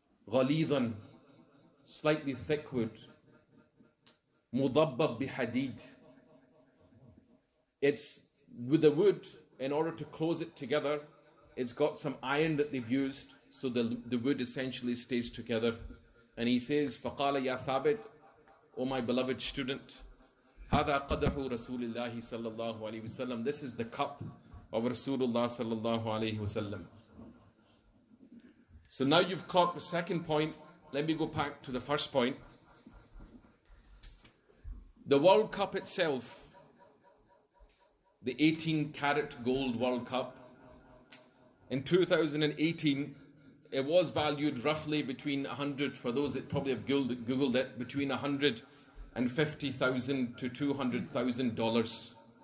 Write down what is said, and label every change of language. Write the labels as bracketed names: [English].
[Arabic] Ghalidhan, [English] slightly thick wood. [Arabic] Mudabbab bihadid. [English] It's with the wood, in order to close it together, it's got some iron that they've used, so the wood essentially stays together. And he says, [Arabic] فَقَالَ يَا ثَابِتْ, [English] O my beloved student, [Arabic] هَذَا قَدَحُ رَسُولِ اللَّهِ صَلَّى اللَّهُ عَلَيْهِ وَسَلَّمْ, [English] this is the cup of Rasulullah [Arabic] صَلَّى اللَّهُ عَلَيْهِ وَسَلَّمْ. [English] So now you've caught the second point, let me go back to the first point. The World Cup itself, the 18 karat gold World Cup, in 2018, it was valued roughly between 100, for those that probably have Googled it, between $150,000 to $200,000.